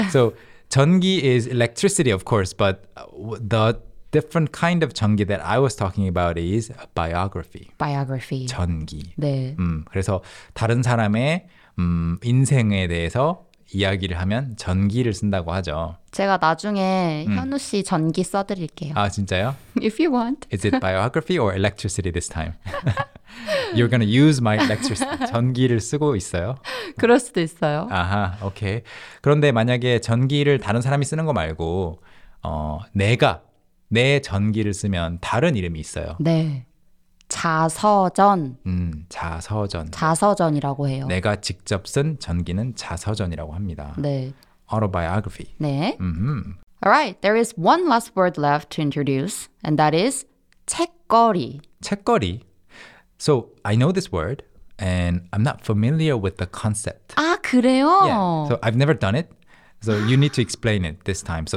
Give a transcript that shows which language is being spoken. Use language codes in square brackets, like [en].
[en] So 전기 is electricity, of course, but the different kind of 전기 that I was talking about is biography. Biography. [ko] 전기. 네. 그래서 다른 사람의 인생에 대해서 이야기를 하면 전기를 쓴다고 하죠. 제가 나중에 현우 씨 전기 써드릴게요. 아, 진짜요? [en] If you want. Is it biography or electricity this time? You're going to use my electricity. [ko] 전기를 쓰고 있어요? 그럴 수도 있어요. 아하, 오케이. 그런데 만약에 전기를 다른 사람이 쓰는 거 말고 내가 내 전기를 쓰면 다른 이름이 있어요. 네. 자서전. 자서전. 자서전이라고 해요. 내가 직접 쓴 전기는 자서전이라고 합니다. 네. [en] Autobiography. 네. Mm-hmm. All right. There is one last word left to introduce, and that is 책거리. 책거리. So I know this word, and I'm not familiar with the concept. [ko] 아, 그래요? [en] Yeah. So I've never done it. So you need to explain it this time.